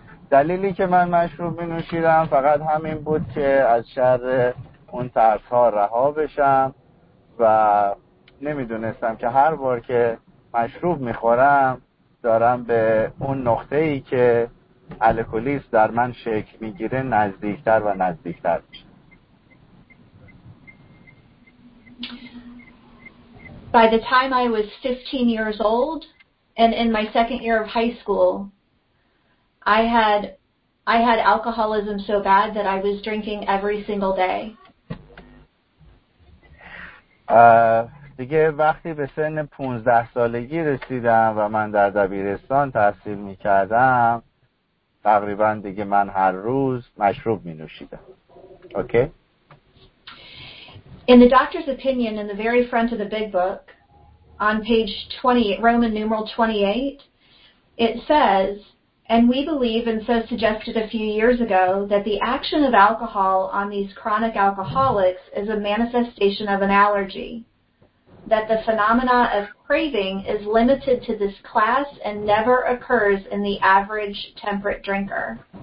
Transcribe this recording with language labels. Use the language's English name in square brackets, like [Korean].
[Persian] دلیلی که من مشروب می‌نوشیدم فقط همین بود که از شر اون ترس‌ها رها بشم و نمی‌دونستم که هر بار که مشروب می‌خورم دارم به اون نقطه‌ای که الکلیسم در من شکل می‌گیره نزدیک‌تر و نزدیک‌تر می‌شم. [English] By the time I was 15 years old and in my second year of high school, I had alcoholism so bad that I was drinking every single day. [Persian] دیگه وقتی به سن 15 سالگی رسیدم و من در دبیرستان تحصیل می‌کردم، تقریبا دیگه من هر روز مشروب می‌نوشیدم. [English] Okay? In the doctor's opinion, in the very front of the big book, on page 28, Roman numeral 28, it says, and we believe, and so suggested a few years ago, that the action of alcohol on these chronic alcoholics is a manifestation of an allergy, that the phenomena of craving is limited to this class and never occurs in the average temperate drinker.